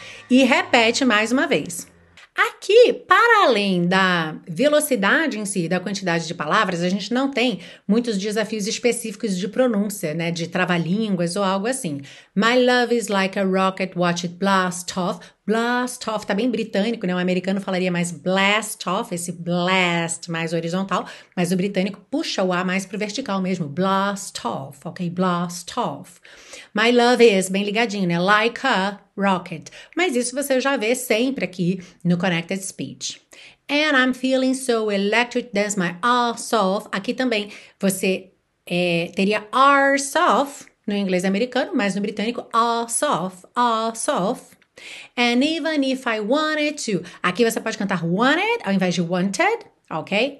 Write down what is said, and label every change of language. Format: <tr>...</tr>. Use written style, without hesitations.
<pt>E repete mais uma vez. Aqui, para além da velocidade em si, da quantidade de palavras, a gente não tem muitos desafios específicos de pronúncia, né? De trava-línguas ou algo assim.</pt> <en>My love is like a rocket, watch it blast off. Blast off,</en> <pt>tá bem britânico, né? O americano falaria mais</pt> <en>blast off,</en> <pt>esse blast mais horizontal, mas o britânico puxa o A mais pro vertical mesmo.</pt> <en>Blast off, ok? Blast off. My love is,</en> <pt>bem ligadinho, né?</pt> <en>Like a rocket.</en> <pt>Mas isso você já vê sempre aqui no Connected Speech.</pt> <en>And I'm feeling so electric, dance my ass off.</en> <pt>Aqui também você teria</pt> <en>arse off</en> <pt>no inglês americano, mas no britânico,</pt> <en>ass off, ass off. And even if I wanted to,</en> <pt>aqui você pode cantar wanted ao invés de wanted, ok?</pt>